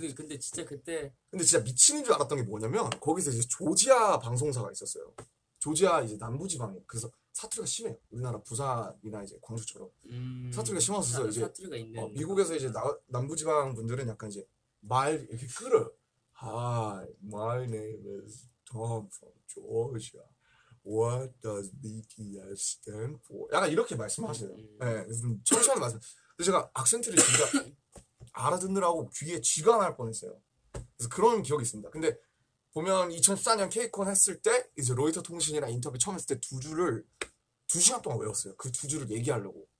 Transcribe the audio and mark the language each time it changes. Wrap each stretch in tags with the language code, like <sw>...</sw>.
<ko>근데 진짜 그때 근데 진짜 미치는 줄 알았던 게 뭐냐면 거기서 이제 조지아 방송사가 있었어요. 조지아 이제 남부지방에. 그래서 사투리가 심해요. 우리나라 부산이나 이제 광주처럼 사투리가 심어서 이제 사투리가 있는 미국에서 이제 그런가 보다. 남부지방 분들은 약간 이제 말 이렇게 끌어요.</ko> <en>Hi, my name is Tom from Georgia. What does BTS stand for?</en> <ko>약간 이렇게 말씀하세요. 예, 네, 천천히 말씀. 근데 제가 악센트를 진짜 알아듣느라고 귀에 쥐가 날 뻔했어요. 그래서 그런 기억이 있습니다. 근데 보면 2014년 케이콘 했을 때 이제 로이터 통신이랑 인터뷰 처음 했을 때두 줄을 2시간 동안 외웠어요. 그두 줄을 얘기하려고.</ko>